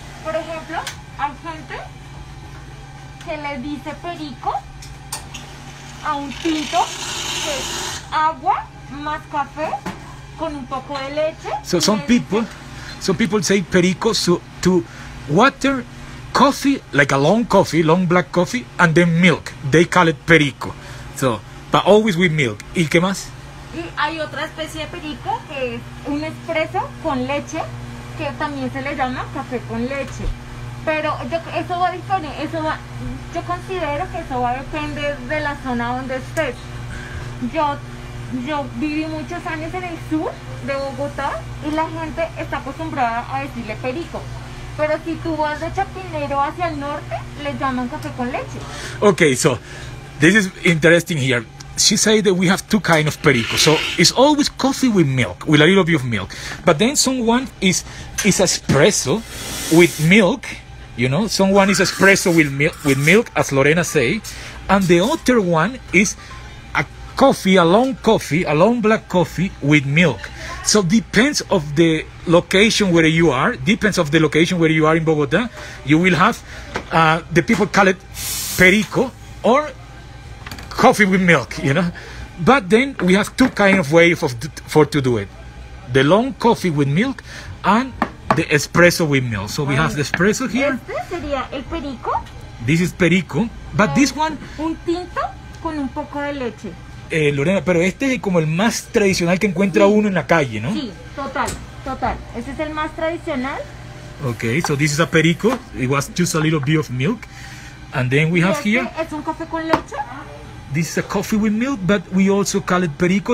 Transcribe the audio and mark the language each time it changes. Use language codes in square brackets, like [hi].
[es] Por ejemplo, hay gente que le dice perico a un tinto, que es agua más café con un poco de leche. [en] So some people say perico to water, coffee, like a long coffee, long black coffee, and then milk. They call it perico. So, but always with milk. [es] ¿Y qué más? Y hay otra especie de perico que es un espresso con leche, que también se le llama café con leche. Pero yo considero que eso va a depender de la zona donde estés. Yo viví muchos años en el sur de Bogotá y la gente está acostumbrada a decirle perico. Pero si tú vas de Chapinero hacia el norte, le llaman café con leche. [en] Okay, so this is interesting here. She said that we have two kinds of perico. So it's always coffee with milk, with a little bit of milk. But then someone is espresso with milk, you know. Someone is espresso with milk, as Lorena say. And the other one is a coffee, a long coffee, a long black coffee with milk. So depends of the location where you are, depends of the location where you are in Bogota, you will have, the people call it perico or coffee with milk, you know. But then we have two kind of ways for to do it: the long coffee with milk and the espresso with milk. So we have the espresso here. [es] Este sería el perico. [en] This is perico, but this one. [es] Un tinto con un poco de leche. Lorena, pero este es como el más tradicional que encuentra uno en la calle, ¿no? Sí, total. Este es el más tradicional. [en] Okay, so this is a perico. It was just a little bit of milk, and then we have here. [es] ¿Es un café con leche? [en] This is a coffee with milk, but we also call it perico.